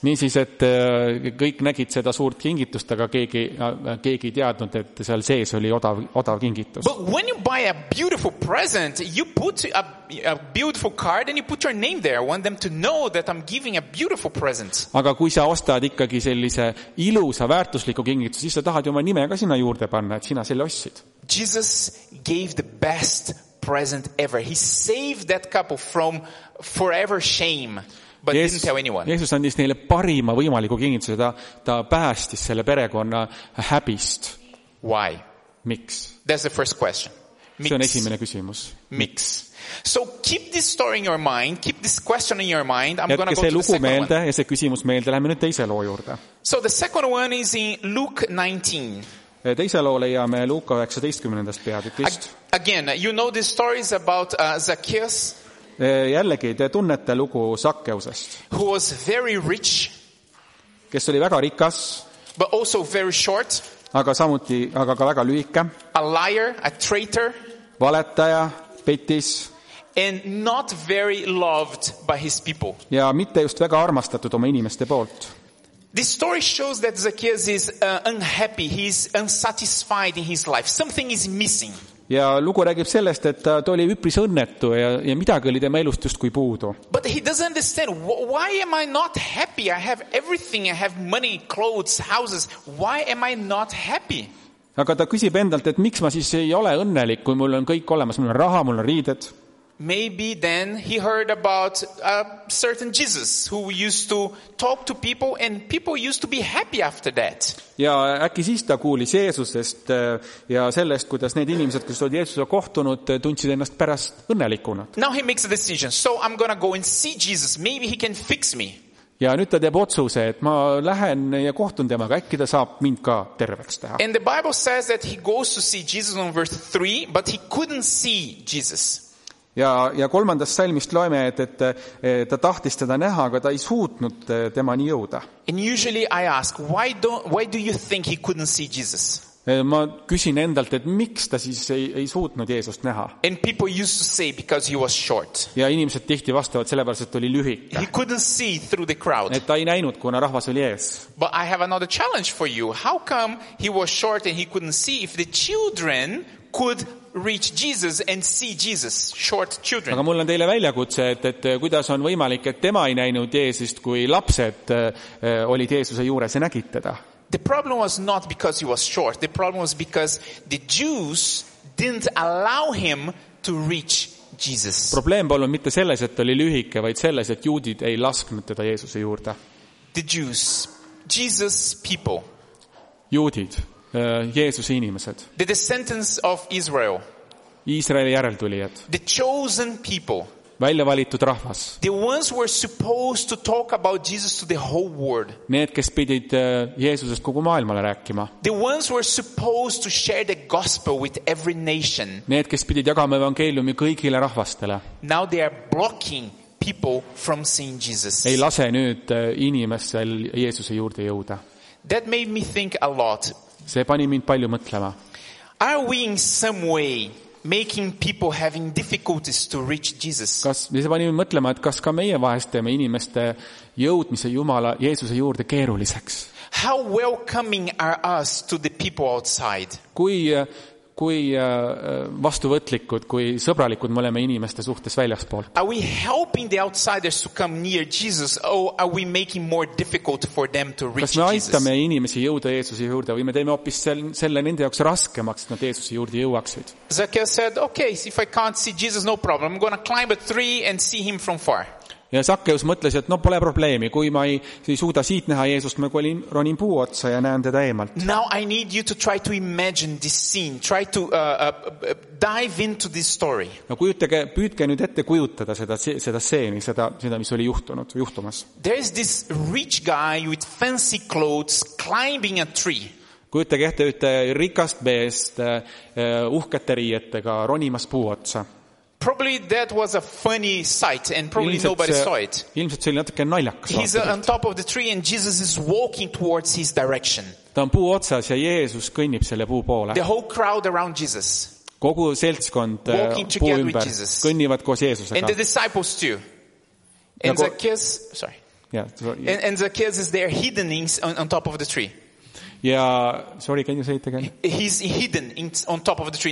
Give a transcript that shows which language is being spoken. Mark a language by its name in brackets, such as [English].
[Estonian] Nii siis, et kõik nägid seda suurt kingitust, aga keegi teadnud, et seal sees oli odav kingitus. [English] But when you buy a beautiful present, you put a beautiful card and you put your name there. I want them to know that I'm giving a beautiful present. [Estonian] Aga kui sa ostad ikkagi sellise ilusa väärtusliku kingitus, siis sa tahad oma nime ka sinna juurde panna, et sina selle ossid. [English] Jesus gave the best present ever. He saved that couple from forever shame, but didn't tell anyone. [Estonian] Jeesus andis neile parima võimaliku kingituse, ta päästis selle perekonna häbist. [English] Why? [Estonian] Miks? [English] That's the first question. [Estonian] Miks? See on esimene küsimus. Miks? [English] So keep this story in your mind, keep this question in your mind. I'm going to go to the second [Estonian] meelde, [English] one. [Estonian] Ja see küsimus meelde, lähme nüüd teise loo juurde. [English] So the second one is in Luke 19. [Estonian] Teise loo leiame Luuka 19. peatükist. [English] Again, you know this story is about Zacchaeus. [Estonian] Jällegi, te tunnete lugu Sakkeusest. [English] Who was very rich. [Estonian] Kes oli väga rikas. [English] But also very short. [Estonian] Aga ka väga lühike. [English] A liar, a traitor. [Estonian] Valetaja, petis. [English] And not very loved by his people. [Estonian] Ja mitte just väga armastatud oma inimeste poolt. [English] This story shows that Zacchaeus is unhappy, he's unsatisfied in his life. Something is missing. [Estonian] Ja lugu räägib sellest, et ta oli üpris õnnetu ja midagi oli tema elust just kui puudu. [English] But he doesn't understand, why am I not happy? I have everything, I have money, clothes, houses. Why am I not happy? [Estonian] Aga ta küsib endalt, et miks ma siis ei ole õnnelik, kui mul on kõik olemas, mul on raha, mul on riided. [English] Maybe then he heard about a certain Jesus who used to talk to people and people used to be happy after that. [Estonian] Ja äkki siis ta kuulis Jeesusest ja sellest, kuidas need inimesed, kes olid Jeesusega kohtunud, tundsid ennast pärast õnnelikuna. [English] Now he makes a decision. So I'm going to go and see Jesus. Maybe he can fix me. [Estonian] Ja nüüd ta teeb otsuse, et ma lähen ja kohtun temaga, äkki ta saab mind ka terveks teha. [English] And the Bible says that he goes to see Jesus on verse 3, but he couldn't see Jesus. [Estonian] Ja kolmandas salmist loeme, et ta tahtis teda näha, aga ta ei suutnud tema nii jõuda. [English] And usually I ask, why do you think he couldn't see Jesus? [Estonian] Ma küsin endalt, et miks ta siis ei suutnud Jeesust näha. [English] And people used to say because he was short. [Estonian] Ja inimesed tihti vastavad sellepärast, et oli lühike. [English] He couldn't see through the crowd. [Estonian] Et ta ei näinud, kuna rahvas oli ees. [English] But I have another challenge for you. How come he was short and he couldn't see if the children could reach Jesus and see Jesus, short children. [Estonian] Aga mul on teile väljakutse, et kuidas on võimalik, et tema ei näinud Jeesust, kui lapsed olid Jeesuse juures ja nägid teda. [English] The problem was not because he was short. The problem was because the Jews didn't allow him to reach Jesus. [Estonian] Probleem polnud mitte selles, et oli lühike, vaid selles, et juudid ei lasknud teda Jeesuse juurde. [English] The Jews, Jesus people. [Estonian] Juudid. Jeesuse inimesed. [English] The descendants of Israel. [Estonian] Iisraeli järeltulijad. [English] The chosen people. [Estonian] Välja valitud rahvas. [English] The ones were supposed to talk about Jesus to the whole world. [Estonian] Need, kes pidid Jeesusest kogu maailmale rääkima. [English] The ones were supposed to share the gospel with every nation. [Estonian] Need, kes pidid jagama evangeeliumi kõigile rahvastele. [English] Now they are blocking people from seeing Jesus. [Estonian] Ei lase nüüd inimesel Jeesuse juurde jõuda. [English] That made me think a lot. [Estonian] See pani mind palju mõtlema. [English] Are we in some way making people having difficulties to reach Jesus? [Estonian] See pani mind mõtlema, et kas ka meie vahestame inimeste jõudmise Jumala Jeesuse juurde keeruliseks? [English] How welcoming are us to the people outside? [Estonian] Kui vastuvõtlikud, kui sõbralikud me oleme inimeste suhtes väljas poolt. [English] Are we helping the outsiders to come near Jesus or are we making more difficult for them to reach Jesus? [Estonian] Kas me aitame inimesi jõuda Jeesuse juurde või me teeme hoopis selle nende jaoks raskemaks, et nad Jeesuse juurde jõuaksid? [English] Zacchaeus said, okay, if I can't see Jesus, no problem. I'm going to climb a tree and see him from far. [Estonian] Ja Sakkeus mõtles, et no pole probleemi, kui ma ei suuda siit näha Jeesust, ma kolin ronin puu otsa ja näen teda eemalt. [English] Now I need you to try to imagine this scene, try to dive into this story. [Estonian] No kujutage, püüdke nüüd ette kujutada seda seeni, seda mis oli juhtunud, juhtumas. [English] There is this rich guy with fancy clothes climbing a tree. [Estonian] Kujutage ette ühte rikast meest uhkete riietega ronimas puu otsa. [English] Probably that was a funny sight and probably nobody saw it. [Estonian] Ilmselt see oli natuke naljakas. [English] He's on top of the tree and Jesus is walking towards his direction. [Estonian] Ta on puu otsas ja Jeesus kõnnib selle puu poole. [English] The whole crowd around Jesus. [Estonian] Kogu seltskond puu ümber kõnnivad koos Jeesusega. [English] And the disciples too. And Zacchaeus, sorry. Yeah. And Zacchaeus is there hidden on top of the tree. Yeah, sorry, can you say it again? He's hidden on top of the tree.